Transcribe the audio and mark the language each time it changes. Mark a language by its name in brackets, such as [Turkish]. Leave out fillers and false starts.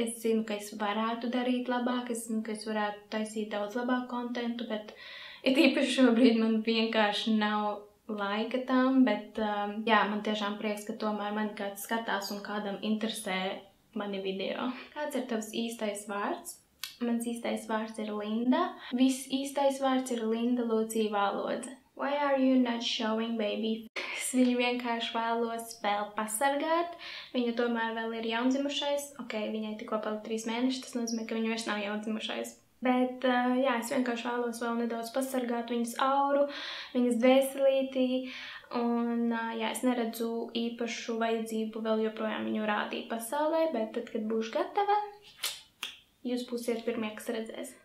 [Latvian] Es zinu, ka es varētu darīt labāk, es zinu, ka es varētu taisīt daudz labāk kontentu, bet it īpaši šobrīd man vienkārši nav laika tam, bet jā, man tiešām prieks, ka tomēr mani kāds skatās un kādam interesē mani video. Kāds ir tavs īstais vārds? Mans īstais vārds ir Linda. Viss īstais vārds ir Linda Lūcija Vālodze. [English] Why are you not showing baby? [Latvian] Es viņu vienkārši vēlos vēl pasargāt. Viņa tomēr vēl ir jaundzimušais. Okei, viņai tikko palika 3 mēneši, tas nozīmē, ka viņa vairs nav jaundzimušais. Bet, jā, es vienkārši vēlos vēl nedaudz pasargāt viņas auru, viņas dvēselītī. Un, jā, es neredzu īpašu vajadzību vēl joprojām viņu rādīt pasaulē, bet tad, kad būšu gatava, jūs būsiet pirmie, kas redzēs.